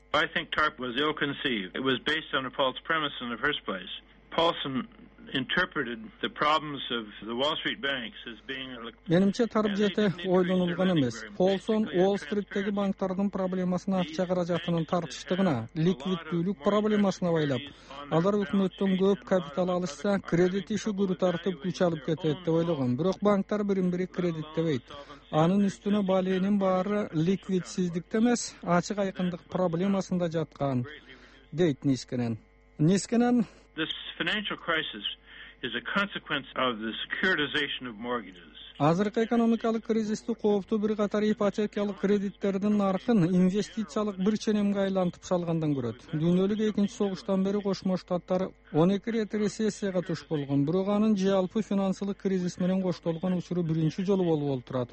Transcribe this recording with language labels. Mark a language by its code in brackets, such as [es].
[en] I think TARP was ill-conceived. It was based on a false premise in the first place. Paulson interpreted the problems of the Wall Street banks as being [ky] Менимче тарып жете ойлонулган эмес. Полсон Wall Street'теги банктардын проблемасына акча каражатынын тартыштыгына, ликвиддүүлүк проблемасына байлап, алар өкмөттөн көп капитал алышса, кредит иши күрү тартып күч алып кетет деп ойлогон. Бирок банктар бирин-бири кредиттебейт. Анын үстүнө баленин баары ликвидсиздикте эмес, ачык айкындык проблемасында жаткан, дейт Нискенен. Нискенен [en] Financial crisis is a consequence of the securitization of mortgages. [ky] Азыркы экономикалык кризисти кооптуу бир катар ипотекалык кредиттердин нарыгын инвестициялык бир ченемге айлантып салгандан көрөт. Дүйнөлүк 2-нчи согуштан бери Кошмо Штаттар 12 ирет рецессияга туш болгон, бирок анын жалпы финансылык кризис менен коштолгон учуру биринчи жолу болуп отурат.